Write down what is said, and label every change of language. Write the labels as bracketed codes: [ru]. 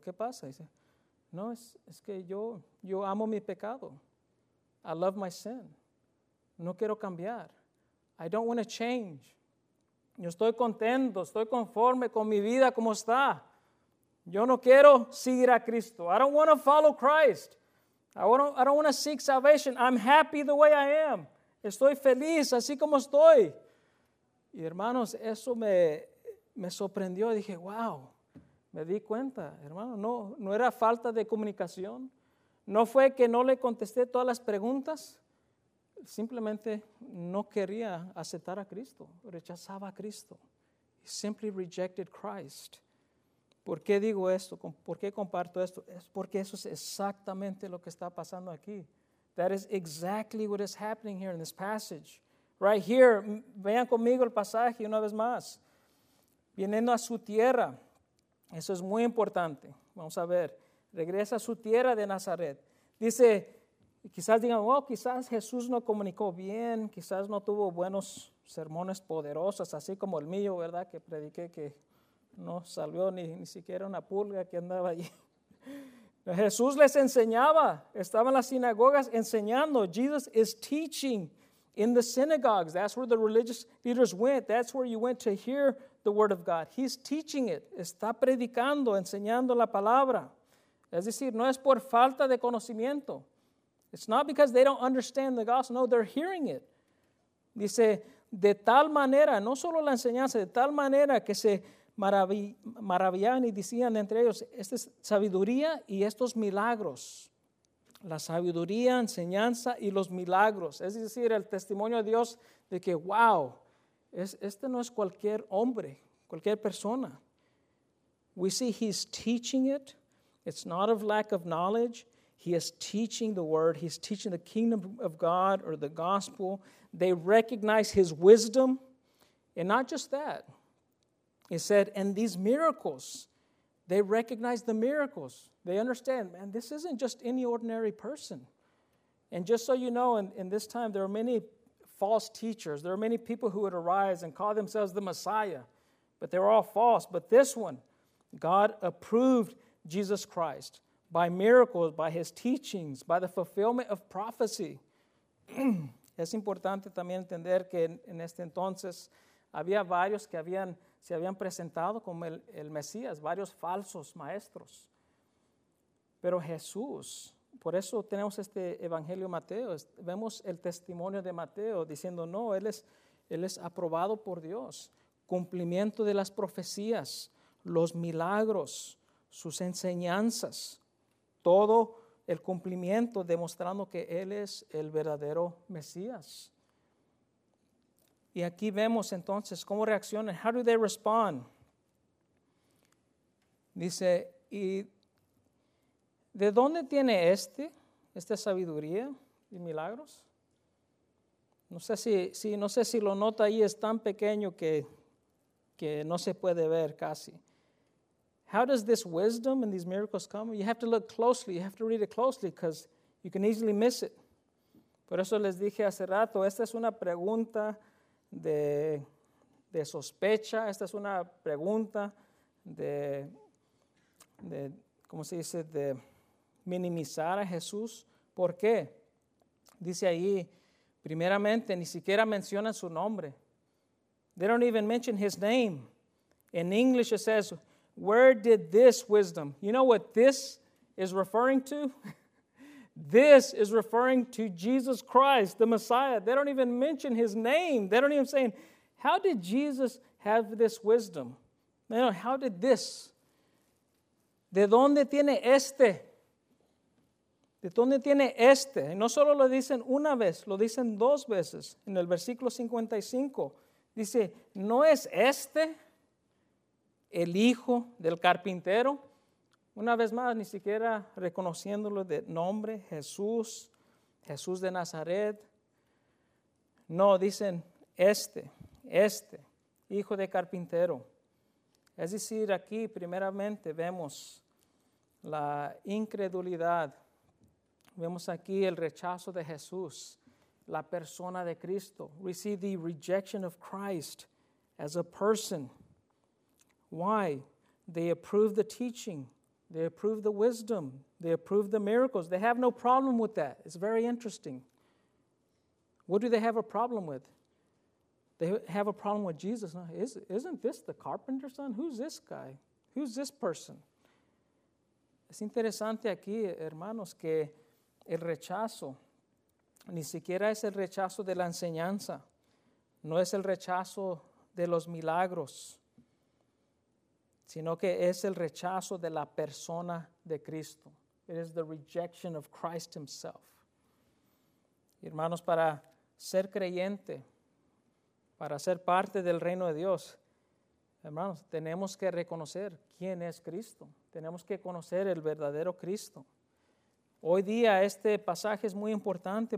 [es] ¿Qué pasa? Dice, no, es que yo amo mi pecado. [en] I love my sin. [es] No quiero cambiar. [en] I don't want to change. [es] Yo estoy contento, estoy conforme con mi vida como está. Yo no quiero seguir a Cristo. [en] I don't want to follow Christ. I don't want to seek salvation. I'm happy the way I am. [es] Estoy feliz así como estoy. Y hermanos, eso me sorprendió. Dije, wow. Me di cuenta, hermano, no era falta de comunicación. No fue que no le contesté todas las preguntas. Simplemente no quería aceptar a Cristo. Rechazaba a Cristo. [en] Simply rejected Christ. [es] ¿Por qué digo esto? ¿Por qué comparto esto? Es porque eso es exactamente lo que está pasando aquí. [en] That is exactly what is happening here in this passage. Right here, [es] vean conmigo el pasaje una vez más. Viniendo a su tierra. Eso es muy importante. Vamos a ver. Regresa a su tierra de Nazaret. Dice, quizás digan, oh, quizás Jesús no comunicó bien, quizás no tuvo buenos sermones poderosos, así como el mío, ¿verdad? Que prediqué que no salió ni siquiera una pulga que andaba allí. Jesús les enseñaba. Estaba en las sinagogas enseñando. [en] Jesus is teaching in the synagogues. That's where the religious leaders went. That's where you went to hear the word of God. He's teaching it. [es] Está predicando, enseñando la palabra. Es decir, no es por falta de conocimiento. [en] It's not because they don't understand the gospel. No, they're hearing it. [es] Dice, de tal manera, no solo la enseñanza, de tal manera que se maravillaban y decían entre ellos, esta es sabiduría y estos milagros. La sabiduría, enseñanza y los milagros. Es decir, el testimonio de Dios de que, wow, este no es cualquier hombre, cualquier persona. [en] We see he's teaching it. It's not of lack of knowledge. He is teaching the word. He's teaching the kingdom of God or the gospel. They recognize his wisdom. And not just that. He said, and these miracles, they recognize the miracles. They understand, man, this isn't just any ordinary person. And just so you know, in this time, there are many false teachers. There are many people who would arise and call themselves the Messiah. But they're all false. But this one, God approved Jesus Christ by miracles, by his teachings, by the fulfillment of prophecy. [es] Es importante también entender que en este entonces había varios que habían se habían presentado como el Mesías, varios falsos maestros. Pero Jesús, por eso tenemos este Evangelio Mateo, vemos el testimonio de Mateo diciendo, no, él es aprobado por Dios, cumplimiento de las profecías, los milagros, sus enseñanzas, todo el cumplimiento demostrando que él es el verdadero Mesías. Y aquí vemos entonces cómo reaccionan. [en] How do they respond? [es] Dice, ¿y de dónde tiene esta sabiduría y milagros? No sé si lo nota ahí, es tan pequeño que no se puede ver casi. [en] How does this wisdom and these miracles come? You have to look closely, you have to read it closely because you can easily miss it. [es] Por eso les dije hace rato, esta es una pregunta de sospecha, esta es una pregunta de ¿cómo se dice? De minimizar a Jesús. ¿Por qué? Dice ahí, primeramente, ni siquiera mencionan su nombre. [en] They don't even mention his name. In English it says, where did this wisdom? You know what this is referring to? This is referring to Jesus Christ, the Messiah. They don't even mention his name. They don't even say, how did Jesus have this wisdom? You know, how did this? [es] ¿De dónde tiene este? ¿De dónde tiene este? Y no solo lo dicen una vez, lo dicen dos veces. En el versículo 55, dice, ¿no es este el hijo del carpintero? Una vez más, ni siquiera reconociéndolo de nombre, Jesús, Jesús de Nazaret. No, dicen, este, hijo de carpintero. Es decir, aquí primeramente vemos la incredulidad. Vemos aquí el rechazo de Jesús, la persona de Cristo. [en] We see the rejection of Christ as a person. Why? They approve the teaching. They approve the wisdom. They approve the miracles. They have no problem with that. It's very interesting. What do they have a problem with? They have a problem with Jesus. No, isn't this the carpenter's son? Who's this guy? Who's this person? [es] Es interesante aquí, hermanos, que el rechazo, ni siquiera es el rechazo de la enseñanza. No es el rechazo de los milagros, sino que es el rechazo de la persona de Cristo. [en] It is the rejection of Christ himself. [es] Hermanos, para ser creyente, para ser parte del reino de Dios, hermanos, tenemos que reconocer quién es Cristo. Tenemos que conocer el verdadero Cristo. Hoy día este pasaje es muy importante.